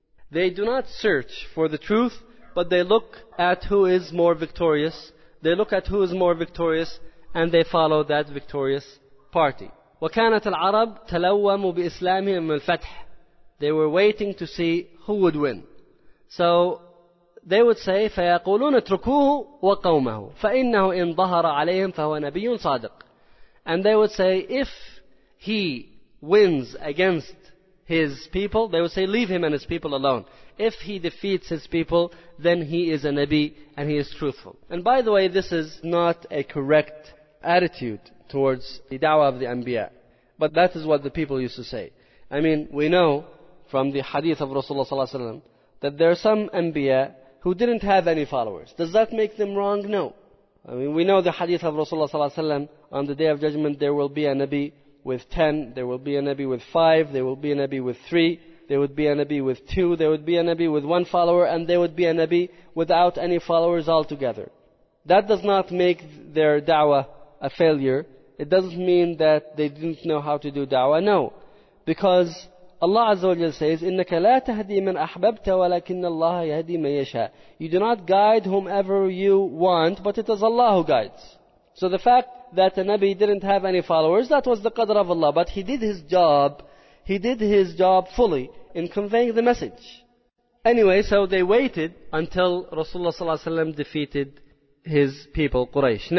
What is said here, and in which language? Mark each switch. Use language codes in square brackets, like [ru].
[en] They do not search for the truth, but they look at who is more victorious. They look at who is more victorious, and they follow that victorious party. [ar] وكانت العرب تلوموا بإسلامهم من الفتح. [en] They were waiting to see who would win. So they would say, [ar] فيقولون اتركوه وقومه فإنه إن ظهر عليهم فهو نبي صادق. [en] And they would say, if he wins against his people, they would say, leave him and his people alone. If he defeats his people, then he is a Nabi and he is truthful. And by the way, this is not a correct attitude towards the da'wah of the Anbiya. But that is what the people used to say. I mean, we know from the hadith of Rasulullah ﷺ that there are some Anbiya who didn't have any followers. Does that make them wrong? No. I mean, we know the hadith of Rasulullah ﷺ, on the Day of Judgment there will be a Nabi with 10, there will be a Nabi with 5, there will be a Nabi with 3, there would be a Nabi with 2, there would be a Nabi with 1 follower, and there would be a Nabi without any followers altogether. That does not make their da'wah a failure. It doesn't mean that they didn't know how to do da'wah. No. Because Allah Azza wa Jalla says, [ar] إِنَّكَ لَا تَهْدِي مَنْ أَحْبَبْتَ وَلَكِنَّ اللَّهَ يَهْدِي مَنْ يَشَاءُ. [en] You do not guide whomever you want, but it is Allah who guides. So the fact that a Nabi didn't have any followers, that was the qadr of Allah. But he did his job. He did his job fully in conveying the message. Anyway, so they waited until Rasulullah ﷺ defeated his people, Quraysh.